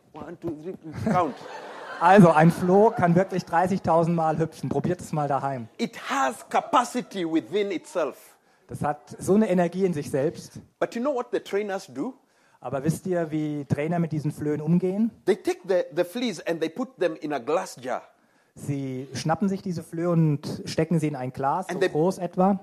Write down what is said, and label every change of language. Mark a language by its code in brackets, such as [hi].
[en] 1, 2, 3, count. [de] Also, ein Floh kann wirklich 30,000 Mal hüpfen. Probiert es mal daheim. [en] It has capacity within itself. [de] Das hat so eine Energie in sich selbst. [en] But you know what the trainers do? [de] Aber wisst ihr, wie Trainer mit diesen Flöhen umgehen? [en] They take the fleas and they put them in a glass jar. [de] Sie schnappen sich diese Flöhe und stecken sie in ein Glas, so groß etwa.